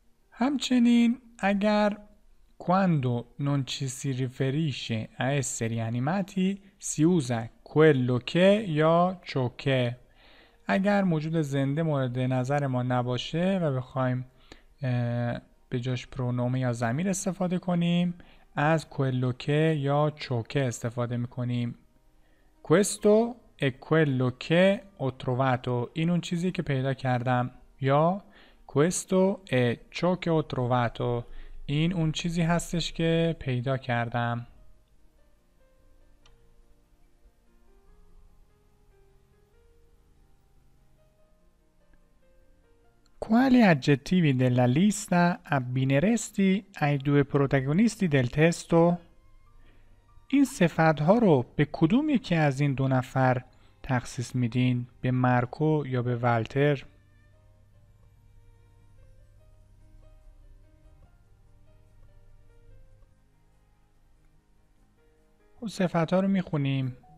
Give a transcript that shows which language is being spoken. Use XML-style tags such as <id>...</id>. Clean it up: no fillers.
<fa>همچنین اگر</fa> <it>quando non ci si riferisce a esseri animati si usa quello che یا ciò che.</it> <fa>اگر موجود زنده مورد نظر ما نباشه و بخوایم به جاش پرونومه یا ضمیر استفاده کنیم، از quello che یا ciò che استفاده میکنیم.</fa> <it>questo è quello che ho trovato،</it> <fa>این اون چیزی که پیدا کردم، یا</fa> <it>questo è ciò che ho trovato،</it> <fa>این اون چیزی هستش که پیدا کردم.</fa> <it>Quali aggettivi della lista abbineresti ai due protagonisti del testo?</it> <fa>این صفت ها رو به کدوم یکی از این دو نفر تخصیص میدین؟ به مارکو یا به والتر؟ اون صفت ها رو میخونیم.</fa>